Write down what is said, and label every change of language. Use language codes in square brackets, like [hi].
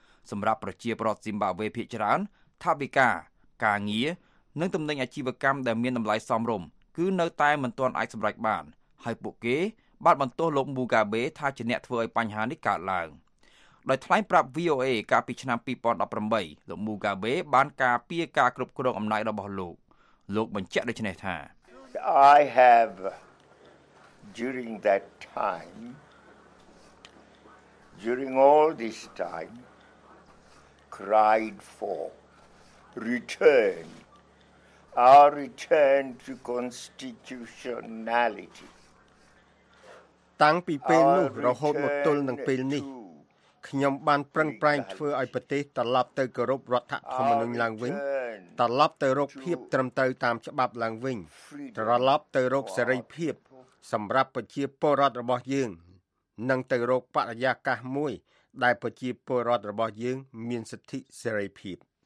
[km] សម្រាប់ប្រជាពលរដ្ឋស៊ីមបាវេភាគច្រើនថវិកាការងារនិងទំនិញអាជីវកម្មដែលមានតម្លៃសមរម្យគឺនៅតែមិនទាន់អាចសម្រេចបានហើយពួកគេបានបន្ទោសលោកមូកាបេថាជាអ្នកធ្វើឲ្យបញ្ហានេះកើតឡើងដោយថ្លែងប្រាប់ VOA កាលពីឆ្នាំ2018លោកមូកាបេបានការពារការគ្រប់គ្រងអំណាចរបស់លោកបញ្ជាក់ដូចនេះថា [en] I have during that time during all this time cried for return our return to constitutionality [km] តាំងពីពេលនោះរហូតមកទល់នឹងពេលនេះខ្ញុំបានប្រឹងប្រែងធ្វើឲ្យប្រទេសត្រឡប់ទៅគោរពរដ្ឋធម្មនុញ្ញឡើងវិញត្រឡប់ទៅរកភាពត្រឹមត្រូវតាមច្បាប់ឡើងវិញត្រឡប់ទៅរកសេរីភាពសម្រាប់ប្រជាពលរដ្ឋរបស់យើងនិងទៅរកបរិយាកាសមួយដែលប្រជាពលរដ្ឋរបស់យើងមានសិទ្ធិសេរីភាព